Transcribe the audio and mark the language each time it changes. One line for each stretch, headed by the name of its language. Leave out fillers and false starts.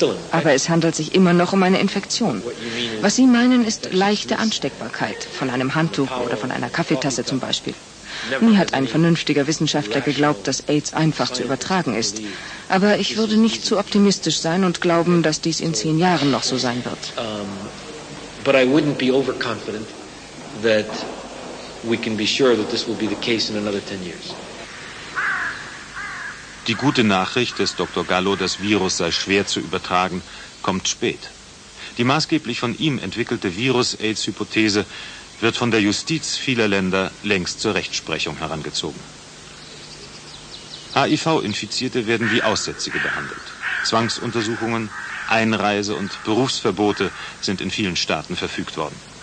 German: Aber es handelt sich immer noch um eine Infektion. Was Sie meinen, ist leichte Ansteckbarkeit von einem Handtuch oder von einer Kaffeetasse zum Beispiel. Nie hat ein vernünftiger Wissenschaftler geglaubt, dass AIDS einfach zu übertragen ist. Aber ich würde nicht zu optimistisch sein und glauben, dass dies in 10 Jahren noch so sein wird.
English: But I wouldn't be overconfident that we can be sure that this will be the case in another 10 years.
German: Die gute Nachricht des Dr. Gallo, das Virus sei schwer zu übertragen, kommt spät. Die maßgeblich von ihm entwickelte Virus-AIDS-Hypothese wird von der Justiz vieler Länder längst zur Rechtsprechung herangezogen. HIV-Infizierte werden wie Aussätzige behandelt. Zwangsuntersuchungen, Einreise und Berufsverbote sind in vielen Staaten verfügt worden.